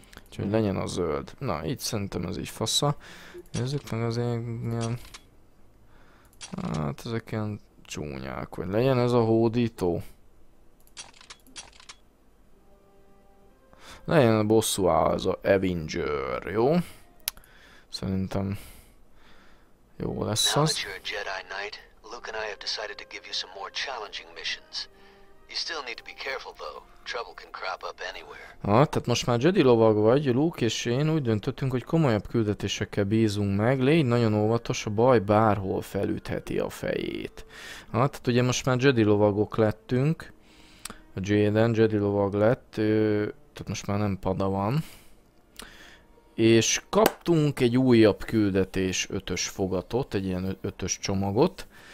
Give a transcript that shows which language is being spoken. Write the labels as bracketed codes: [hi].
[hu] Úgyhogy legyen a zöld. Na, így szerintem ez így fasza. Nézzük meg az ilyen... Hát ezek ilyen csúnyák, vagy legyen ez a hódító. Legyen a bosszú áll ez a Avenger, jó? Szerintem... Jó lesz az. [en] Now that you're a Jedi Knight, Luke and I have decided to give you some more challenging missions. You still need to be careful though. Trouble can crop up anywhere. [hu] Ha, tehát most már Jedi lovag vagy, Luke és én úgy döntöttünk, hogy komolyabb küldetésekkel bízunk meg. Légy nagyon óvatos, a baj bárhol felütheti a fejét. Ha, tehát ugye most már Jedi lovagok lettünk. A Jaden Jedi lovag lett. Tehát most már nem padawan. És kaptunk egy újabb küldetés ötös fogatot, egy ilyen ötös csomagot.